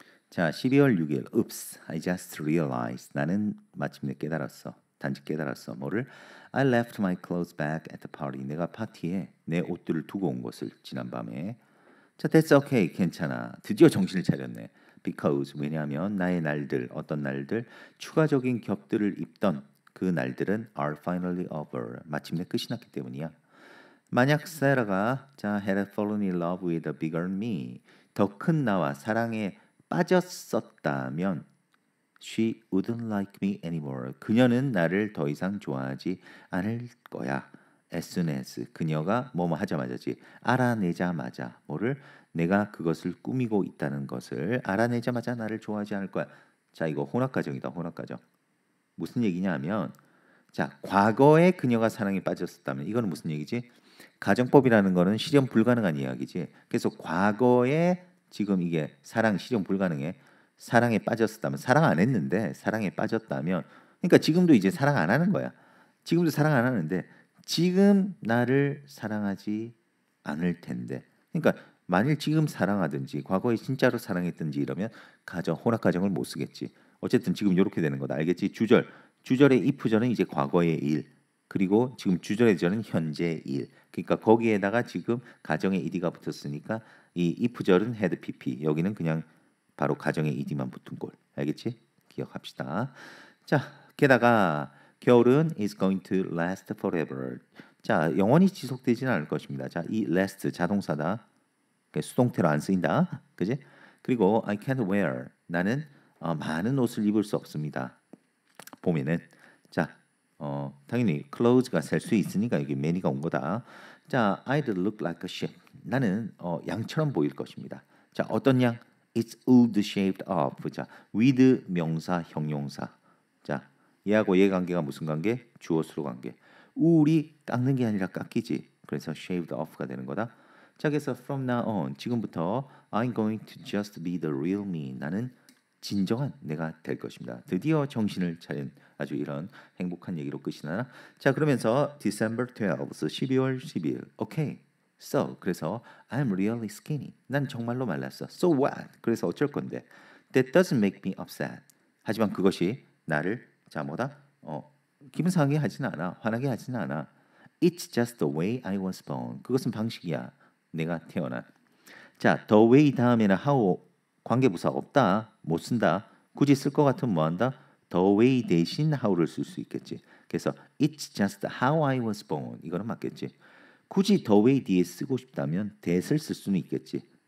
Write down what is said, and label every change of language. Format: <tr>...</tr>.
<ko>자 12월 6일</ko> <en>oops I just realized</en> <ko>나는 마침내 깨달았어 단지 깨달았어 뭐를</ko> <en>I left my clothes back at the party</en> <ko>내가 파티에 내 옷들을 두고 온 것을 지난밤에 자</ko> <en>that's okay</en> <ko>괜찮아 드디어 정신을 차렸네 Because, 왜냐하면 나의 날들, 어떤 날들, 추가적인 겹들을 입던 그 날들은</ko> <en>are finally over,</en> <ko>마침내 끝이 났기 때문이야. 만약 세라가, 자,</ko> <en>had fallen in love with a bigger me,</en> <ko>더 큰 나와 사랑에 빠졌었다면,</ko> <en>she wouldn't like me anymore.</en> <ko>그녀는 나를 더 이상 좋아하지 않을 거야. As soon as, 그녀가 뭐뭐 하자마자지, 알아내자마자, 뭐를? 내가 그것을 꾸미고 있다는 것을 알아내자마자 나를 좋아하지 않을 거야. 자, 이거 혼합과정이다, 혼합과정. 무슨 얘기냐 하면, 자, 과거에 그녀가 사랑에 빠졌었다면, 이거는 무슨 얘기지? 가정법이라는 거는 실현 불가능한 이야기지. 그래서 과거에 지금 이게 사랑 실현 불가능해. 사랑에 빠졌었다면, 사랑 안 했는데 사랑에 빠졌다면, 그러니까 지금도 이제 사랑 안 하는 거야. 지금도 사랑 안 하는데, 지금 나를 사랑하지 않을 텐데. 그러니까 만일 지금 사랑하든지 과거에 진짜로 사랑했든지 이러면 가정 혼합 가정을 못 쓰겠지. 어쨌든 지금 이렇게 되는 거다. 알겠지? 주절. 주절의 if절은 이제 과거의 일. 그리고 지금 주절의 절은 현재의 일. 그러니까 거기에다가 지금 가정의 ed가 붙었으니까 이 if절은 head pp. 여기는 그냥 바로 가정의 ed만 붙은 꼴. 알겠지? 기억합시다. 자, 게다가 겨울은</ko> <en>is going to last forever.</en> <ko>자, 영원히 지속되지는 않을 것입니다. 자, 이 last 자동사다. 수동태로 안 쓰인다. 그지?</ko> <en>그리고 I can't wear.</en> <ko>나는 많은 옷을 입을 수 없습니다. 봄에는. 자, 당연히 clothes가 셀 수 있으니까 이게 many가 온 거다.</ko> <en>자, I'd look like a sheep.</en> <ko>나는 양처럼 보일 것입니다. 자, 어떤 양?</ko> <en>It's wood shaved off.</en> <ko>자, with 명사, 형용사. 자, 얘하고 얘 관계가 무슨 관계? 주어수로 관계. 우울이 깎는 게 아니라 깎이지. 그래서 shaved off가 되는 거다.</ko> <en>자, 그래서 from now on,</en> <ko>지금부터</ko> <en>I'm going to just be the real me.</en> <ko>나는 진정한 내가 될 것입니다. 드디어 정신을 차린 아주 이런 행복한 얘기로 끝이 나나? 자, 그러면서</ko> <en>December 12th,</en> <ko>12월 10일.</ko> <en>Okay, so,</en> <ko>그래서</ko> <en>I'm really skinny.</en> <ko>난 정말로 말랐어.</ko> <en>So what?</en> <ko>그래서 어쩔 건데?</ko> <en>That doesn't make me upset.</en> <ko>하지만 그것이 나를 자 뭐다? 기분 상하게 하진 않아. 화나게 하진 않아.</ko> <en>It's just the way I was born.</en> <ko>그것은 방식이야. 내가 태어난. 자, the way 다음에는 how 관계부사 없다. 못 쓴다. 굳이 쓸 것 같으면 뭐 한다? the way 대신 how를 쓸 수 있겠지.</ko> <en>그래서 it's just how I was born.</en> <ko>이거는 맞겠지. 굳이 the way 뒤에 쓰고 싶다면 that을 쓸 수는 있겠지.</ko>